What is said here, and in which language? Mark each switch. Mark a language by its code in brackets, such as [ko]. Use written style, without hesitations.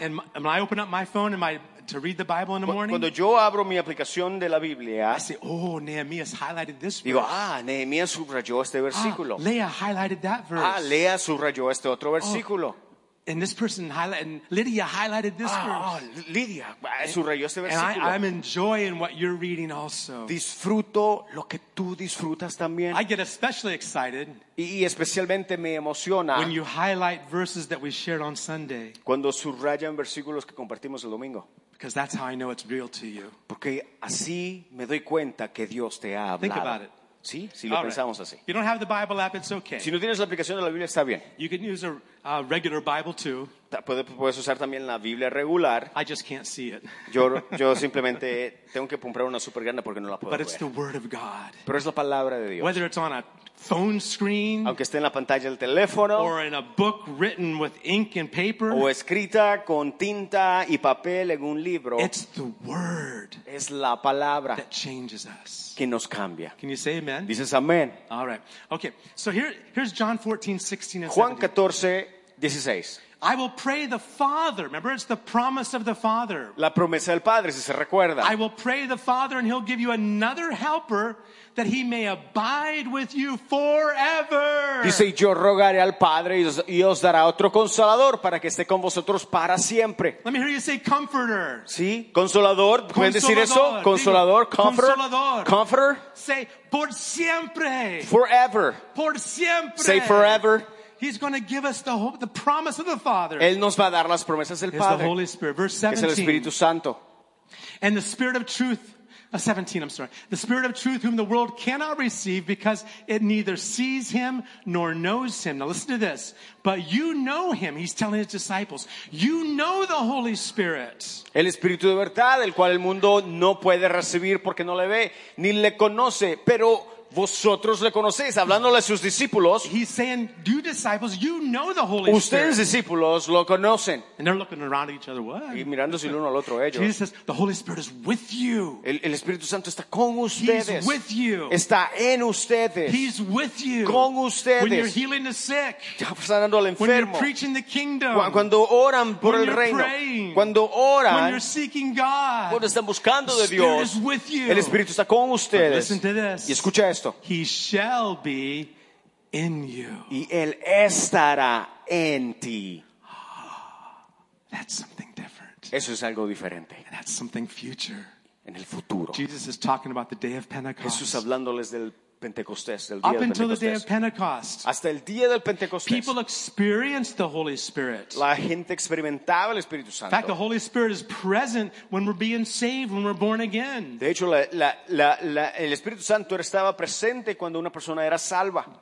[en] And when I open up my phone, am I to read the Bible in the morning? [es] Cuando yo abro mi aplicación de la Biblia, [en] I say, oh, Nehemiah's highlighted this verse. [es] Digo, Nehemiah subrayó este versículo. [en] Leah highlighted that verse. [es] Leah subrayó este otro versículo. [en] And this person highlighted, and Lydia highlighted this verse. [es] Lydia subrayó este versículo. [en] And I'm enjoying what you're reading also. [es] Disfruto lo que tú disfrutas también. [en] I get especially excited. [es] Y especialmente me emociona. [en] When you highlight verses that we shared on Sunday. [es] Cuando subrayan versículos que compartimos el domingo. [en] Because that's how I know it's real to you. [es] Porque así me doy cuenta que Dios te ha hablado. [en] Think about it. [es] Sí, si lo pensamos así. [en] If you don't have the Bible app, it's okay. [es] Si no tienes la aplicación de la Biblia, está bien. [en] You can use a regular Bible too. [es] Puedes usar también la Biblia regular. [en] I just can't see it. [es] Yo simplemente tengo que comprar una super grande porque no la puedo [en] but [es] ver. [en] But it's the Word of God. [es] Pero es la palabra de Dios. [en] Whether it's on a phone screen, [es] aunque esté en la pantalla del teléfono, [en] or in a book written with ink and paper, [es] o escrita con tinta y papel en un libro, [en] it's the Word. [es] Es la palabra [en] that changes us. [es] Que nos cambia. [en] Can you say amen? [es] Dices amén. [en] All right. Okay. So here's John 14, 16 and [es] 17. Juan 14, 16. [en] I will pray the Father. Remember, it's the promise of the Father. [es] La promesa del Padre, si se recuerda. [en] I will pray the Father and he'll give you another helper that he may abide with you forever. [es] Dice, yo rogaré al Padre y os dará otro consolador para que esté con vosotros para siempre. [en] Let me hear you say comforter. [es] Sí, consolador. ¿Pueden Decir eso? Consolador, comforter. Consolador. [en] Comforter. [es] Say, por siempre. [en] Forever. [es] Por siempre. [en] Say forever. He's going to give us the hope, the promise of the Father. [es] Él nos va a dar las promesas del Padre. [en] It's the Holy Spirit. Verse 17. [es] Es el Espíritu Santo. [en] And the Spirit of Truth. 17, I'm sorry. The Spirit of Truth whom the world cannot receive because it neither sees him nor knows him. Now listen to this. But you know him. He's telling his disciples. You know the Holy Spirit. [es] El Espíritu de verdad, el cual el mundo no puede recibir porque no le ve, ni le conoce, pero... vosotros le conocéis, hablándole a sus discípulos. [en] He's saying, you disciples, you know the Holy [es] Spirit. Ustedes discípulos lo conocen. [en] And they're looking around at each other, what? [es] Y mirándose el uno al otro ellos. [en] Jesus says, the Holy Spirit is with you. [es] El Espíritu Santo está con ustedes. [en] He's with you. [es] Está en ustedes. [en] He's with you. [es] Con ustedes. [en] When you're healing the sick. [es] Sanando al enfermo. [en] When you're preaching the kingdom. [es] Cuando oran por [en] when [es] el [en] you're [es] reino. [en] Praying. [es] Cuando oran. [en] When you're seeking God. [es] Cuando están buscando de Dios. [en] The Spirit is with you. [es] El Espíritu está con ustedes. [en] But listen to this. [es] Y escucha esto. [en] He shall be in you. [es] Y él estará en ti. [en] That's something different. [es] Eso es algo diferente. [en] And that's something future. [es] En el futuro. [en] Jesus is talking about the day of Pentecost. [es] Jesús hablándoles del Pentecostés, del día [en] up Until the day of Pentecost. [es] Hasta el día del Pentecostés. [en] People experienced the Holy Spirit. [es] La gente experimentaba el Espíritu Santo. [en] In fact, the Holy Spirit is present when we're being saved, when we're born again. [es] De hecho, el Espíritu Santo estaba presente cuando una persona era salva.